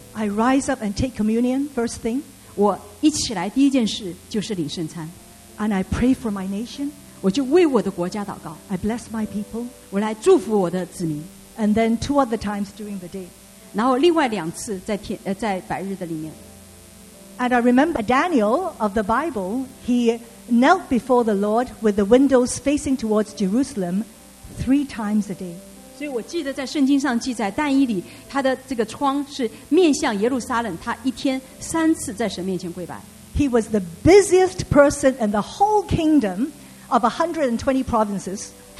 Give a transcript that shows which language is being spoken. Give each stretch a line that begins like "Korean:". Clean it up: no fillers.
English: I rise up and take communion first thing.
Chinese: 我一起来第一件事就是领圣餐。
English: And I pray for my nation.
Chinese: 我就为我的国家祷告。
English: I bless my people.
Chinese: 我来祝福我的子民。
English: And then 2 other times during the day.
Chinese: 然后另外两次在白日的里面。
English: And I remember Daniel of the Bible, he knelt before the Lord with the windows facing towards Jerusalem 3 times a day.
Chinese: 所以我记得在圣经上记载但以理他的这个窗是面向耶路撒冷他一天三次在神面前跪拜。
English: He was the busiest person in the whole kingdom of 120 provinces.